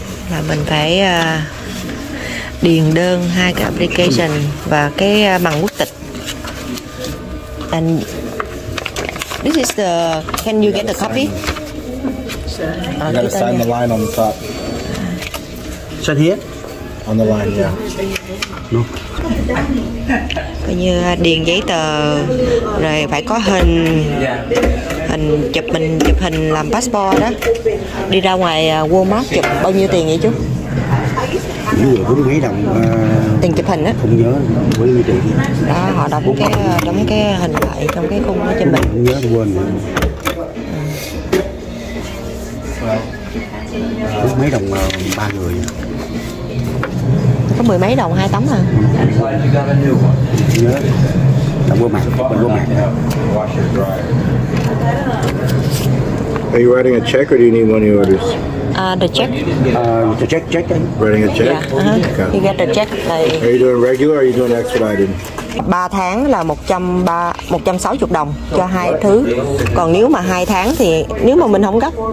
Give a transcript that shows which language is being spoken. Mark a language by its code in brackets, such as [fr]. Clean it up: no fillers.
[vi] Là mình phải điền đơn hai cái application và cái bằng quốc tịch. [en] And this is the can you get the copy? You gotta sign the line on the top. Sign here? On the line, yeah. No. [vi] Coi như điền giấy tờ, rồi phải có hình, hình chụp mình chụp hình làm passport đó. Đi ra ngoài Walmart chụp bao nhiêu tiền vậy chú? Bốn mấy đồng. Tiền chụp hình á? Không nhớ, bốn mấy tiền. Đó, họ đóng cái hình lại trong cái khung đó cho mình. Không nhớ, quên rồi. Mười mấy đồng ba người. Có mười mấy đồng hai tấm à? Nhớ. Đã mua mạng, mình mua mạng. [en] Are you writing a check or do you need money orders? The check. The check, check. Writing a check. Yeah. Uh-huh. You get the check. Like... Are you doing regular or are you doing expedited? [vi] 3 tháng là 160 đồng cho hai thứ. Còn nếu mà 2 tháng thì nếu mà mình không gấp.